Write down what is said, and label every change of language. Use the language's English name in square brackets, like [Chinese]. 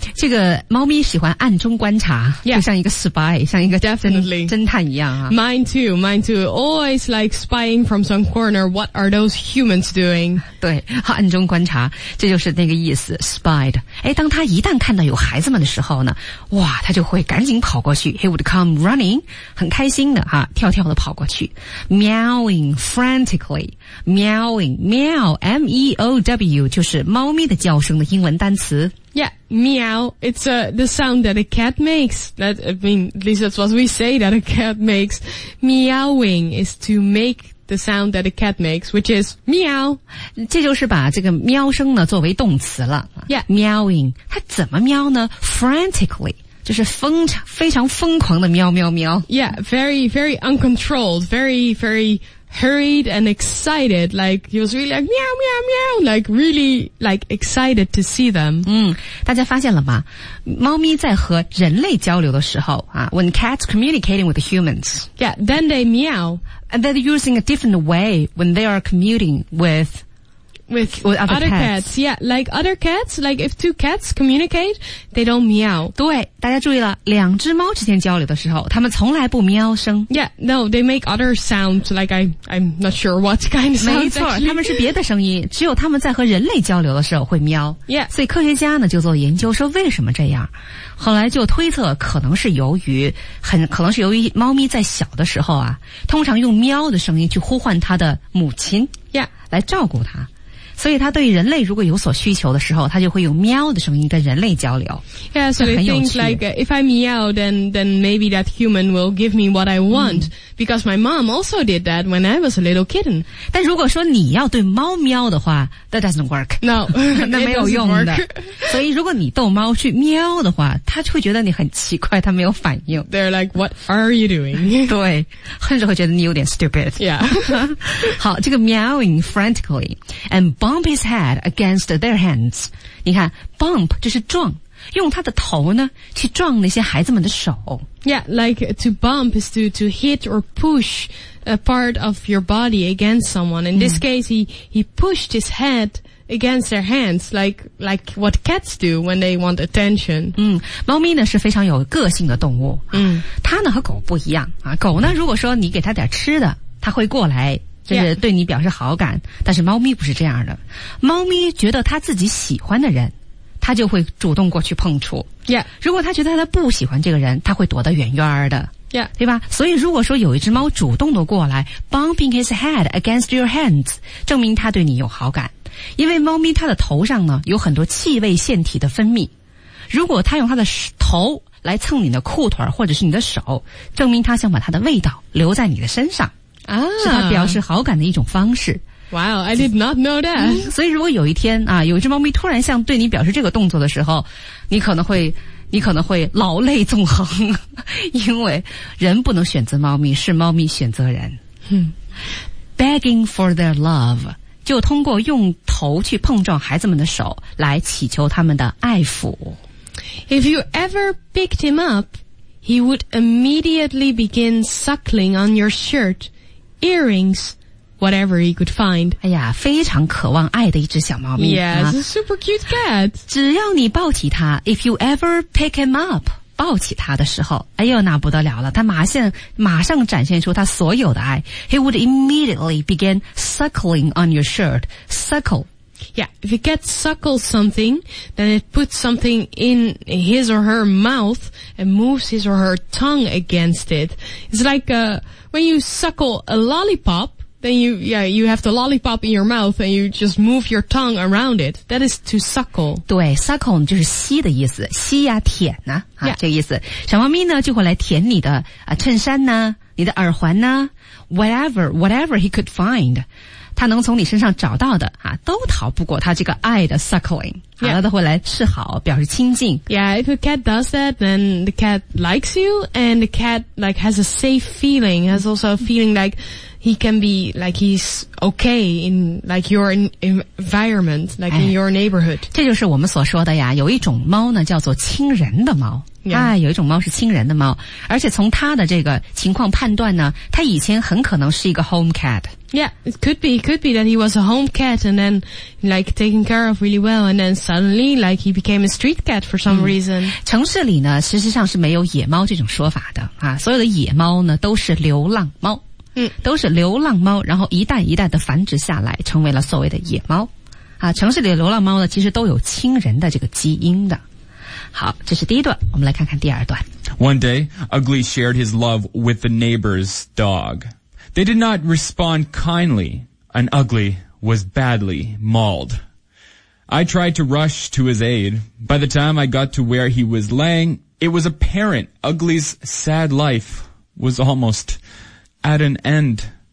[Chinese] 这个猫咪喜欢暗中观察 [English] yeah, [Chinese] 就像一个 spy, 像一个 [English] definitely. [Chinese] 侦探一样、啊、 [English] Mine too. Always like spying from some corner, what are those humans doing? [Chinese] 对，暗中观察，这就是那个意思 spied. 诶，当他一旦看到有孩子们的时候呢，哇，他就会赶紧跑过去， [English] he would come running, [Chinese] 很开心的哈，跳跳的跑过去， [English] meowing frantically, meowing,Meow, M-E-O-W, [Chinese] 就是猫咪的叫声的英文单词。 [English] Yeah, meow, it's the sound that a cat makes. That, I mean, at least that's what we say that a cat makes. Meowing is to make the sound that a cat makes, which is meow. [Chinese] 这就是把这个喵声呢作为动词了。 [English] Yeah. [Chinese] Meowing, 它怎么喵呢? [English] Frantically. [Chinese] 就是非常疯狂的喵喵喵。 [English] Yeah, very, very uncontrolled, very, very hurried and excited. Like, he was really like, meow, meow, meow, like, really, like, excited to see them. [Chinese] 嗯，大家发现了吗？猫咪在和人类交流的时候啊 , [English] when cats communicating with humans. Yeah, then they meow. And they're using a different way when they are commuting with other cats. Yeah, like other cats, like if two cats communicate, they don't meow. [Chinese] 对，大家注意了，两只猫之间交流的时候，它们从来不喵声。 [English] Yeah, no, they make other sounds, like I'm not sure what kind of sounds. [Chinese] 没错，它们是别的声音，只有它们在和人类交流的时候会喵。 [English] Yeah. [Chinese] 所以科学家呢，就做研究说为什么这样。后来就推测可能是由于猫咪在小的时候啊，通常用喵的声音去呼唤它的母亲。 [English] Yeah. [Chinese] 来照顾它。所以他对人类如果有所需求的时候，他就会用喵的声音跟人类交流。 [English] Yeah, so they think like, if I meow, then maybe that human will give me what I want. Because my mom also did that when I was a little kitten. [Chinese] 但如果说你要对猫喵的话， [English] that doesn't work. No, [Chinese] 那没有用的。所以如果你逗猫去喵的话，它就会觉得你很奇怪，它没有反应。 [English] They're like, what are you doing? [Chinese] 对，甚至会觉得你有点 stupid. [English] Yeah. [Chinese] 好，这个 [English] meowing frantically and bump his head against their hands. [Chinese] 你看 ,bump 就是撞。用他的头呢去撞那些孩子们的手。 [English] Yeah, like to bump is to hit or push a part of your body against someone. In this case, he pushed his head against their hands, like what cats do when they want attention. [Chinese] 嗯，猫咪呢是非常有个性的动物。嗯，它呢和狗不一样啊。狗呢，如果说你给它点吃的，它会过来。就是对你表示好感、 [English] yeah. [Chinese] 但是猫咪不是这样的。猫咪觉得它自己喜欢的人，它就会主动过去碰触。 [English] Yeah. [Chinese] 如果它觉得它不喜欢这个人，它会躲得远远的。 [English] Yeah. [Chinese] 对吧？所以如果说有一只猫主动的过来 [English] bumping his head against your hands, [Chinese] 证明它对你有好感。因为猫咪它的头上呢有很多气味腺体的分泌。如果它用它的头来蹭你的裤腿或者是你的手，证明它想把它的味道留在你的身上。啊、是他表示好感的一种方式。 [English] Wow, I did not know that.、嗯、 [Chinese] 所以如果有一天啊，有一只猫咪突然像对你表示这个动作的时候，你可能会老泪纵横，因为人不能选择猫咪，是猫咪选择人。 Hmm. [English] Begging for their love, [Chinese] 就通过用头去碰撞孩子们的手来祈求他们的爱抚。 [English] If you ever picked him up, he would immediately begin suckling on your shirt. Earrings, whatever he could find. [Chinese] 哎呀，非常渴望爱的一只小猫咪。 [English] Yeah, it's a super cute cat. [Chinese] 只要你抱起它 , [English] if you ever pick him up, [Chinese] 抱起它的时候，哎呦，那不得了了，它马上展现出它所有的爱。 [English] He would immediately begin suckling on your shirt. Suckle. Yeah, if a cat suckles something, then it puts something in his or her mouth and moves his or her tongue against it. It's like a... When you suckle a lollipop, then you have the lollipop in your mouth and you just move your tongue around it. That is to suckle. [Chinese] 对 ,suckle 就是吸的意思。吸呀、啊、舔呢、啊 [English] yeah. [Chinese] 啊、这个意思。小猫咪呢就会来舔你的、啊、衬衫呢、啊、你的耳环呢、啊、 [English] whatever he could find. [Chinese] 他能从你身上找到的啊都逃不过他这个爱的 suckling。 [English] Yeah. [Chinese] 他会来示好表示亲近。 [English] Yeah, if a cat does that, then the cat likes you, and the cat, like, has a safe feeling, has also a feeling like, he can be like he's okay in like your environment, like in your neighborhood. [Chinese] 这就是我们所说的呀，有一种猫呢叫做亲人的猫。 [English] Yeah. [Chinese] 有一种猫是亲人的猫，而且从它的这个情况判断呢，它以前很可能是一个 home cat。 [English] Yeah, it could be that he was a home cat and then like taken care of really well and then suddenly like he became a street cat for some reason. [Chinese] 城市里呢实际上是没有野猫这种说法的啊，所有的野猫呢都是流浪猫。嗯，都是流浪猫，然后一代一代的繁殖下来成为了所谓的野猫。啊，城市里的流浪猫呢其实都有亲人的这个基因的。好，这是第一段，我们来看看第二段。 [English] One day, Ugly shared his love with the neighbor's dog. They did not respond kindly, and Ugly was badly mauled. I tried to rush to his aid. By the time I got to where he was laying, it was apparent Ugly's sad life was almost at an end.